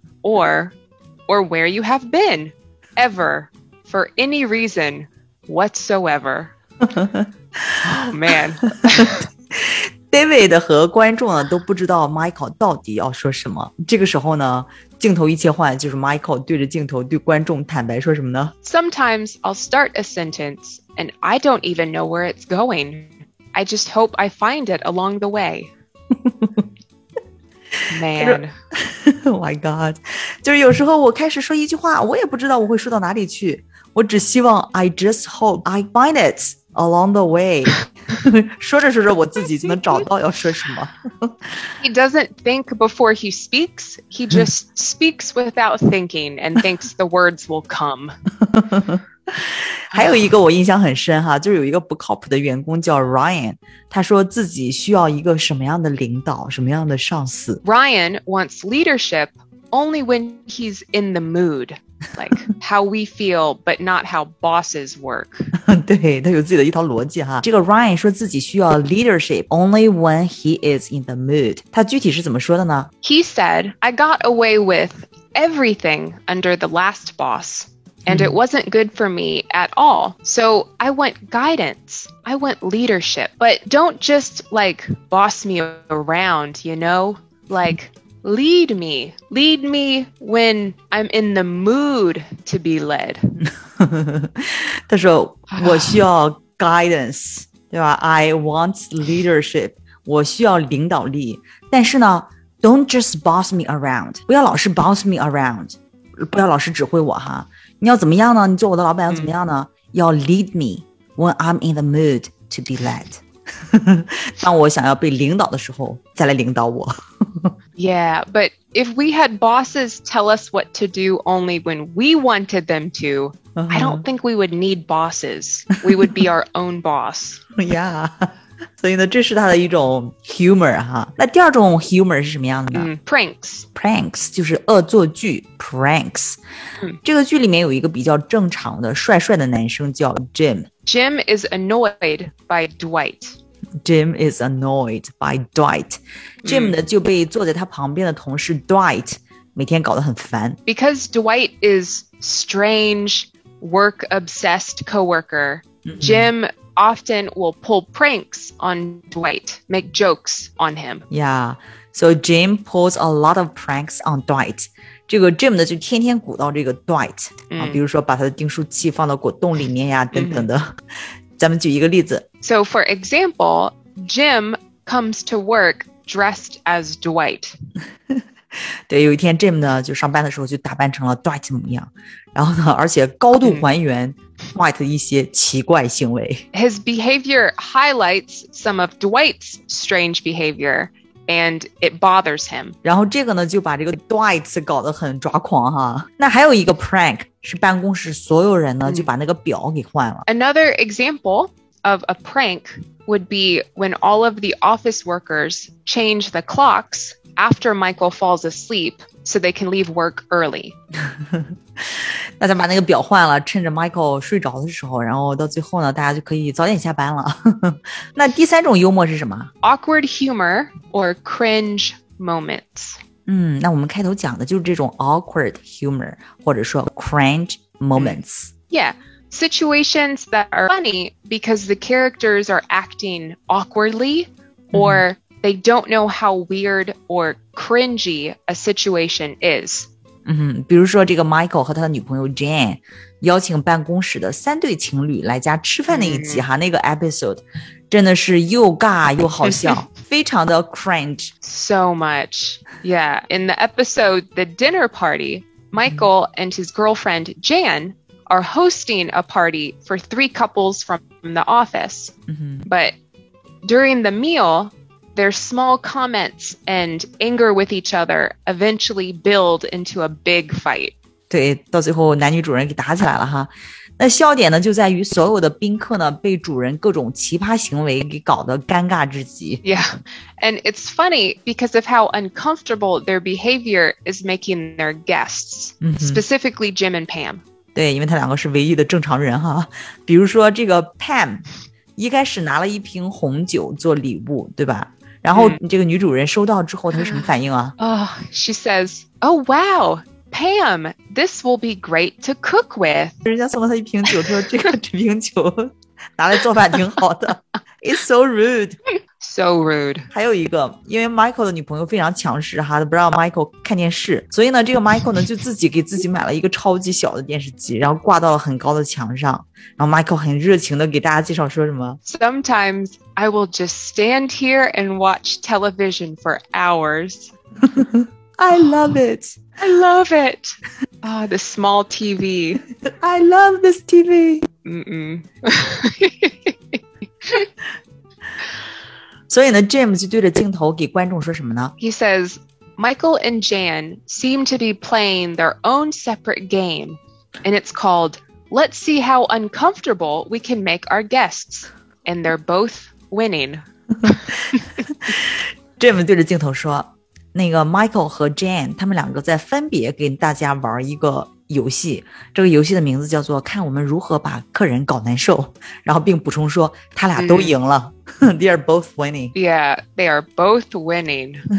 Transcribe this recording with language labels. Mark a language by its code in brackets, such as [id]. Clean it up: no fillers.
[en] Or where you have been, ever, for any reason whatsoever. Oh, man. David [zh] David 和观众呢都不知道 Michael 到底要说什么。这个时候呢，镜头一切换，就是 Michael 对着镜头对观众坦白说什么呢？ [en] Sometimes I'll start a sentence and I don't even know where it's going. I just hope I find it along the way. Man. Oh my God. [zh] 就是有时候我开始说一句话，我也不知道我会说到哪里去。我只希望 [en] I just hope I find it along the way. [zh] 说着说着我自己就能找到要说什么。 [en] He doesn't think before he speaks. He just speaks without thinking and thinks the words will come. [zh] 还有一个我印象很深哈，就是有一个不靠谱的员工叫 Ryan， 他说自己需要一个什么样的领导，什么样的上司。 [en] Ryan wants leadership only when he's in the mood. Like how we feel, but not how bosses work. [zh] 对，他有自己的一套逻辑哈。这个 Ryan 说自己需要 [en] leadership only when he is in the mood. [zh] 他具体是怎么说的呢？ [en] He said, I got away with everything under the last boss. And it wasn't good for me at all. So I want guidance. I want leadership. But don't just like boss me around, you know? Like lead me. Lead me when I'm in the mood to be led. [zh] 他说我需要 guidance, 对吧? [en] I want leadership. [zh] 我需要领导力。但是呢, [en] don't just boss me around. [zh] 不要老是 [en] boss me around. [zh] 不要老是指挥我哈。你要怎么样呢？你做我的老板要怎么样呢？ [en] 要 lead me when I'm in the mood to be led. [zh] 当我想要被领导的时候，再来领导我。 [en] Yeah, but if we had bosses tell us what to do only when we wanted them to, I don't think we would need bosses. We would be our own boss. Yeah. [zh] 所以呢，这是他的一种 humor 哈。那第二种 humor 是什么样的呢？ [en] Pranks. [zh] Pranks 就是恶作剧 pranks. 这个剧里面有一个比较正常的帅帅的男生叫 Jim. [en] Jim is annoyed by Dwight. Jim is annoyed by Dwight. [zh] Jim 呢就被坐在他旁边的同事 Dwight 每天搞得很烦。 [en] Because Dwight is strange, work-obsessed coworker, Jim often will pull pranks on Dwight, make jokes on him. Yeah, so Jim pulls a lot of pranks on Dwight. [zh] 这个 Jim 呢就天天鼓捣这个 Dwight、比如说把他的订书器放到果冻里面呀等等的、咱们举一个例子。 [en] So for example, Jim comes to work dressed as Dwight. [zh] 对，有一天 Jim 呢就上班的时候就打扮成了 Dwight 模样，然后呢而且高度还原 Dwight 的一些奇怪行为。 [en] His behavior highlights some of Dwight's strange behaviorAnd it bothers him. [zh] 然后这个呢就把这个 Dwight 搞得很抓狂哈。那还有一个 prank 是办公室所有人呢、就把那个表给换了。 [en] Another example of a prank would be when all of the office workers change the clocks after Michael falls asleep so they can leave work early. [zh] 大家把那个表换了，趁着 Michael 睡着的时候，然后到最后呢，大家就可以早点下班了。那第三种幽默是什么？ [en] Awkward humor or cringe moments. [zh] 那我们开头讲的就是这种 [en] awkward humor [zh] 或者说 [en] cringe moments. Yeah, situations that are funny because the characters are acting awkwardly or they don't know how weird or cringy a situation is. [zh] 比如说这个 Michael 和他的女朋友 Jane 邀请办公室的三对情侣来家吃饭那一集哈，那个 episode 真的是又尬又好笑，非常的 cringe. [en] So much. Yeah, in the episode The Dinner Party, Michael and his girlfriend Jane are hosting a party for three couples from the office. But during the mealTheir small comments and anger with each other eventually build into a big fight. [zh] 对，到最后男女主人给打起来了哈。那笑点呢就在于所有的宾客呢被主人各种奇葩行为给搞得尴尬至极。 [en] Yeah, and it's funny because of how uncomfortable their behavior is making their guests, specifically Jim and Pam. [zh] 对，因为他两个是唯一的正常人哈。比如说这个 Pam 一开始拿了一瓶红酒做礼物，对吧？然后这个女主人收到之后她是什么反应啊？ [en] She says, Oh wow, Pam, this will be great to cook with. [zh] 人家送了她一瓶酒，她说这个瓶酒拿来做饭挺好的。 [en] It's so rude. So rude. [zh] 还有一个，因为 Michael 的女朋友非常强势哈，不让 Michael 看电视，所以呢，这个 Michael 呢就自己给自己买了一个超级小的电视机，然后挂到了很高的墙上。然后 Michael 很热情的给大家介绍说什么 [en] ？Sometimes I will just stand here and watch television for hours. I love it. I love it. Ah, the small TV. I love this TV. Mm-mm. [zh] 所以呢 ，James 就对着镜头给观众说什么呢 [en] ？He says, "Michael and Jan seem to be playing their own separate game, and it's called 'Let's see how uncomfortable we can make our guests,' and they're both winning." [zh] James 对着镜头说，那个 Michael 和 Jan 他们两个在分别给大家玩一个。游戏，这个游戏的名字叫做看我们如何把客人搞难受，然后并补充说他俩都赢了、 [en] They are both winning. Yeah, they are both winning.